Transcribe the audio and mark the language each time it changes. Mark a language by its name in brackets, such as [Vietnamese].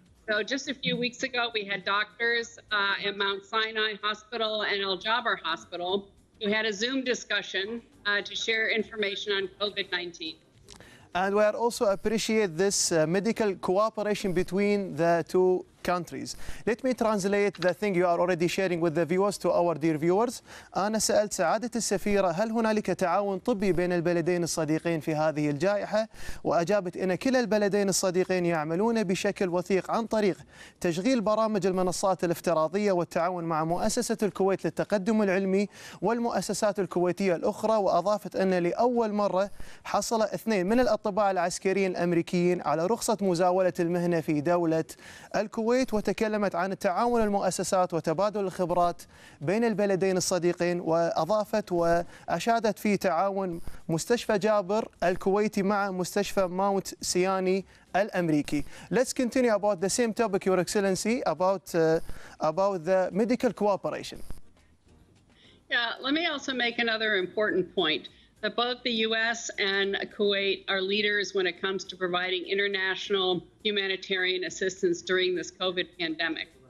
[English] So just a few weeks ago, we had doctors at Mount Sinai Hospital and Al Jaber Hospital who had a Zoom discussion to share information on COVID-19. And we also appreciate this medical cooperation between the two countries. Let me translate the thing you are already sharing with the viewers to our dear viewers. [Arabic] أنا سألت سعادة السفيرة هل هنالك تعاون طبي بين البلدين الصديقين في هذه الجائحة؟ وأجابت إن كلا البلدين الصديقين يعملون بشكل وثيق عن طريق تشغيل برامج المنصات الافتراضية والتعاون مع مؤسسة الكويت للتقدم العلمي والمؤسسات الكويتية الأخرى. وأضافت أن لأول مرة حصل اثنين من الأطباء العسكريين الأمريكيين على رخصة مزاولة المهنة في دولة الكويت، وتكلمت عن تعاون المؤسسات وتبادل الخبرات بين البلدين الصديقين. وأضافت وأشادت في تعاون مستشفى جابر الكويتي مع مستشفى ماونت سياني الأمريكي. [English] Let's continue about the same topic, Your Excellency, about the medical cooperation. Yeah, let me also make another important point that both the U.S. and Kuwait are leaders when it comes to providing international humanitarian assistance during this COVID pandemic.